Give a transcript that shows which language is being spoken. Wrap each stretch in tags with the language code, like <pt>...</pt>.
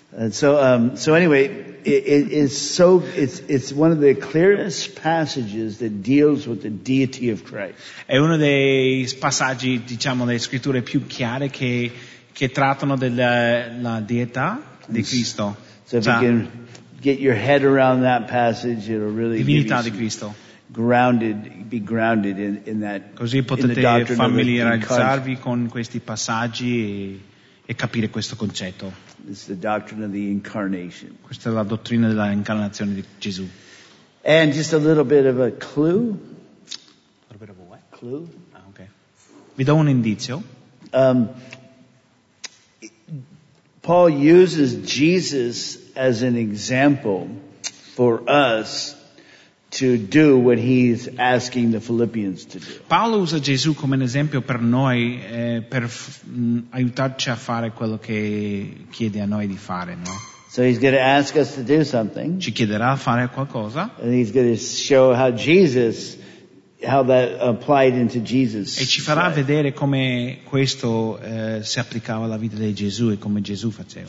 <en>So anyway, it's one of the clearest passages that deals with the deity of Christ.</en> <it>È uno dei passaggi, diciamo, delle scritture più chiare che trattano della deità di Cristo.</it> <en>So if you can get your head around that passage, it'll really</en> <it>divinità di Cristo.</it> <en>Be grounded in that.</en> <it>Così potete familiarizzarvi con questi passaggi e capire questo concetto.</it> <en>It's the doctrine of the incarnation.</en> <it>Questa è la dottrina della incarnazione di Gesù.</it> <en>And just a little bit of a clue. A little bit of a what? Clue.</en> <it>Ah, okay. Vi do un indizio.</it> <en>Paul uses Jesus as an example for us to do what he's asking the Philippians to do.</en> <it>Paolo usa Gesù come un esempio per noi per aiutarci a fare quello che chiede a noi di fare, no?</it> <en>So he's going to ask us to do something.</en> <it>Ci chiederà a fare qualcosa.</it> <en>And he's going to show how that applied into Jesus.</en> <it>E ci farà vedere come questo si applicava alla vita di Gesù e come Gesù faceva.</it>